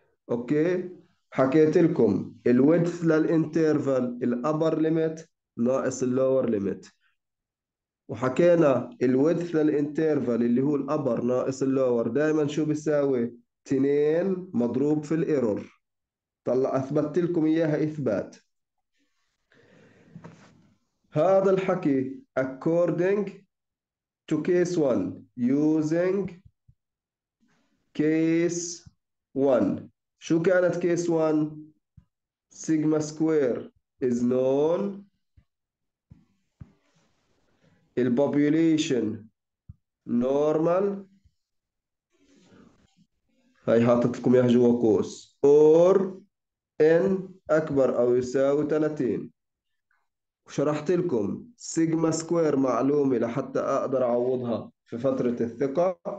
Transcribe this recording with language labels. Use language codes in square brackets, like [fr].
[ar] اوكي، حكيت لكم الويدث للانترفال الابر ليميت ناقص اللور ليميت، وحكينا الويدث للانترفال اللي هو الابر ناقص اللور دائما شو بيساوي؟ 2 مضروب في الايرور. طلع اثبتت لكم اياها اثبات. هذا الحكي [en] according to case 1 using case 1. [ar] شو كانت [en] case 1؟ sigma square is known [ar] البوبوليشن نورمال، هاي حاطط لكم اياها جوا قوس، اور ان اكبر او يساوي 30. وشرحت لكم سيجما سكوير معلومة لحتى اقدر اعوضها في فترة الثقة.